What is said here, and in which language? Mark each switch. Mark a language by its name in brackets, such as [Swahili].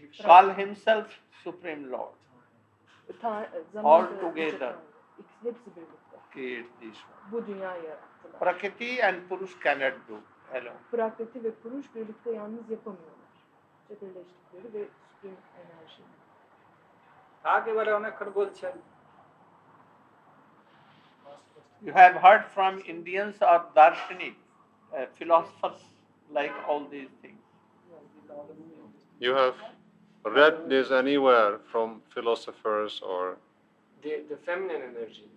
[English] Kal himself Supreme Lord. All together. [Turkish] Hepsi birlikte. [English] Create this one. [Turkish] Bu dünyayı yarattılar. [English] Prakriti and Purush cannot do. Hello. [Turkish] Prakriti ve Purush birlikte yalnız yapamıyorlar. Birleştikleri ve Supreme enerji. Hadi bari ona kırgol çelim. [English] You have heard from Indians or Darshanik, philosophers. Like all these things. You have read this anywhere from philosophers or... The feminine energy.